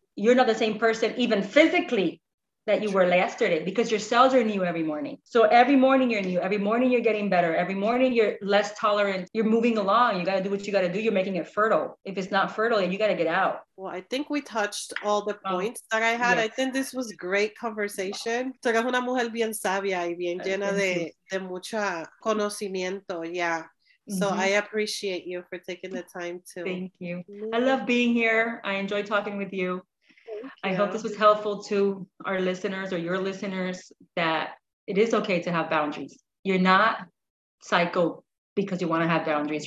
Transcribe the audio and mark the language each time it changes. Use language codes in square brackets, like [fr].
[en] You're not the same person, even physically, that you were yesterday, because your cells are new every morning. So every morning you're new, every morning you're getting better. Every morning you're less tolerant. You're moving along. You got to do what you got to do. You're making it fertile. If it's not fertile, then you got to get out. Well, I think we touched all the points that I had. Yes. I think this was great conversation. [es] Tú eres una mujer bien sabia y bien llena de mucho conocimiento. [en] Yeah. So I appreciate you for taking the time to. Thank you. I love being here. I enjoy talking with you. I hope this was helpful to our listeners or your listeners, that it is okay to have boundaries. You're not psycho because you want to have boundaries.